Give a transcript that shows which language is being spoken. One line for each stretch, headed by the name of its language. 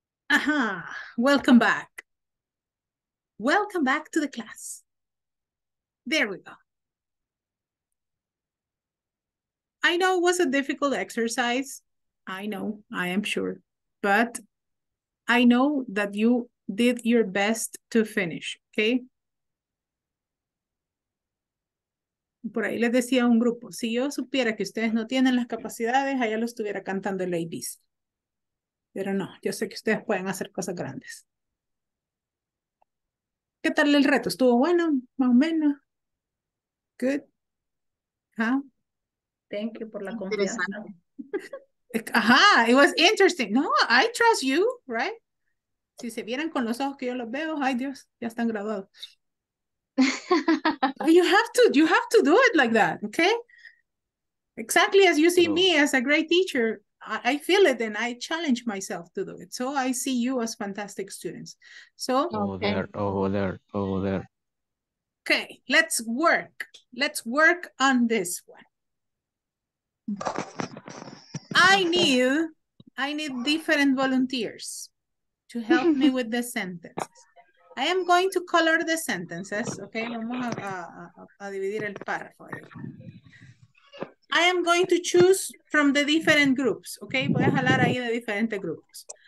English: Aha, welcome back. Welcome back to the class. There we go. I know it was a difficult exercise. I know, I am sure, but I know that you did your best to finish, okay?
Spanish: Por ahí les decía un grupo, si yo supiera que ustedes no tienen las capacidades, allá lo estuviera cantando el ABC. Pero no, yo sé que ustedes pueden hacer cosas grandes. ¿Qué tal el reto? ¿Estuvo bueno? Más o menos.
English: Good.
Spanish: Huh?
English: Thank you
Spanish: por la confianza.
English: Ajá, it was interesting. No, I trust you, right?
Spanish: Si se vieran con los ojos que yo los veo, ay Dios, ya están graduados.
English: You have to do it like that, okay? Exactly as you see me as a great teacher. I feel it and I challenge myself to do it. So I see you as fantastic students. So over there. Okay, let's work. Let's work on this one. I need different volunteers to help me with the sentence. I am going to color the sentences. Okay,
Spanish: vamos a dividir el párrafo.
English: I am going to choose from the different groups.
Spanish: Okay, voy a jalar ahí de diferentes grupos.